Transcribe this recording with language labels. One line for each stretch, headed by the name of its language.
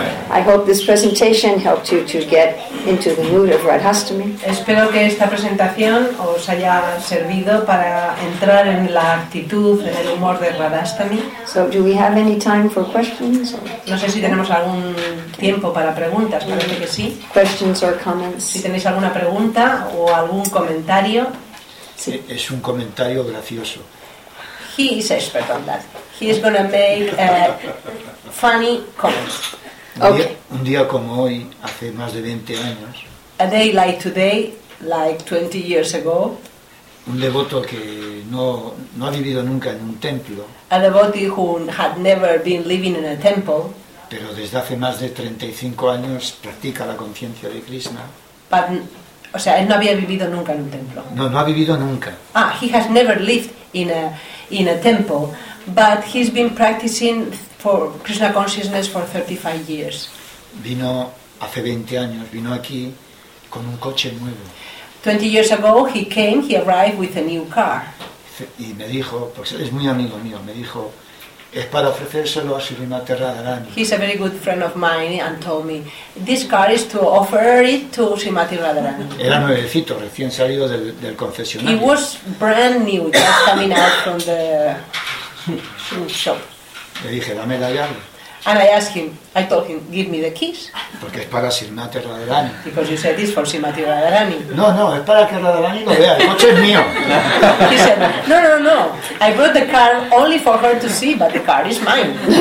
English: I hope this presentation helped you to get into the mood of Radhastami.
Spanish: Espero que esta presentación os haya servido para entrar en la actitud, en el humor de Radhastami.
English: So, do we have any time for questions?
Spanish: No sé si tenemos algún tiempo para preguntas. Parece que sí.
English: Questions or comments.
Spanish: Si tenéis alguna pregunta o algún comentario. Sí. Es un comentario gracioso.
English: He is expert on that. He is going to make funny comments. Okay.
Spanish: Un día como hoy, hace más de 20 años.
English: A day like today, like 20 years ago.
Spanish: Un devoto que no ha vivido nunca en un templo.
English: A devotee who had never been living in a temple.
Spanish: Pero desde hace más de 35 años practica la conciencia de Krishna. But, o sea, él no había vivido nunca en un templo. No ha vivido nunca.
English: Ah, he has never lived in a temple. But he's been practicing for Krishna consciousness for 35 years.
Spanish: Vino hace 20 años, vino aquí con un coche nuevo.
English: 20 years ago he arrived with a new car.
Spanish: Y me dijo, pues es muy amigo mío, me dijo, es para ofrecérselo a Srimati Radharani.
English: He's a very good friend of mine and told me, this car is to offer it to Srimati Radharani.
Spanish: Era nuevecito, recién salido del concesionario.
English: He was brand new, just coming out from the shop.
Spanish: Le dije, dame la llave.
English: And I asked him, I told him, give me the keys.
Spanish: Porque es para Srimati Radharani.
English: Because you said it's for Srimati Radharani.
Spanish: No, es para que Radharani lo vea, el coche es mío.
English: He said, no, I brought the car only for her to see, but the car is mine.